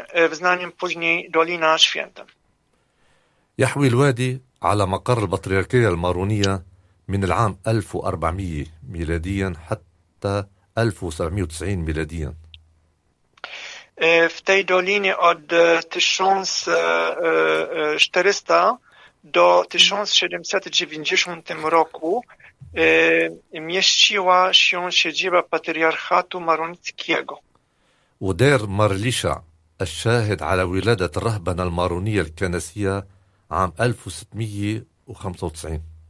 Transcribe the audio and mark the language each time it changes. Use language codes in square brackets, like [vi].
[pl] Wznanym później Dolina Święta. [ar] يحوي الوادي على مقر البطريركية المارونية من العام 1400 ميلاديا حتى 1790 ميلاديا. [pl] W tej dolinie od 1400 do 1790 roku mieściła się siedziba patriarchatu maronickiego. [ar] ودار مارليشا الشاهد على ولادة الرهبنة المارونية الكنسية عام 1695.